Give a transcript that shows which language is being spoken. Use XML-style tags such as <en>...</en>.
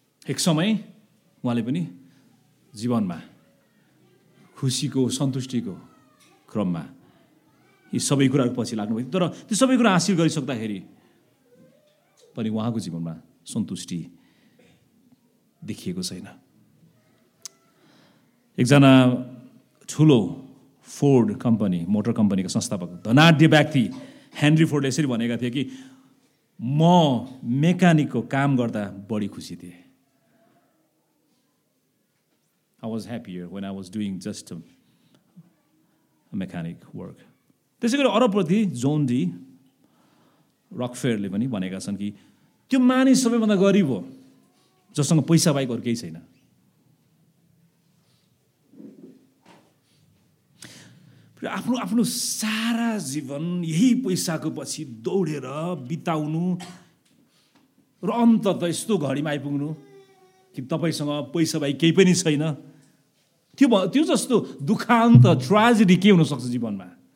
<ne>एक समय उहाँले पनि जीवनमा खुसीको, सन्तुष्टिको क्रममा यी सबै कुराहरू पछि लाग्नुभयो, तर त्यो सबै कुरा हासिल गरिसक्दाखेरि पनि उहाँको जीवनमा सन्तुष्टि देखिएको छैन। एकजना ठुलो फोर्ड कम्पनी, मोटर कम्पनीको संस्थापक धनाढ्य व्यक्ति हेनरी फोर्डले यसरी भनेका थिए कि म मेकानिकको काम गर्दा बढी खुसी थिएँ।</ne> <en>I was happier when I was doing just a mechanic work.</en> <ne>त्यसै गरी अरबपति जोन डी रकफेयरले पनि भनेका छन् कि त्यो मानिस सबैभन्दा गरिब हो जससँग पैसा बाहेक अरू केही छैन। आफ्नो आफ्नो सारा जीवन यही पैसाको पछि दौडेर बिताउनु र अन्तत यस्तो घडीमा आइपुग्नु कि तपाईँसँग पैसा बाहेक केही पनि छैन, त्यो जस्तो दुःखान्त, ट्राजेडी के हुनसक्छ जीवनमा?</ne>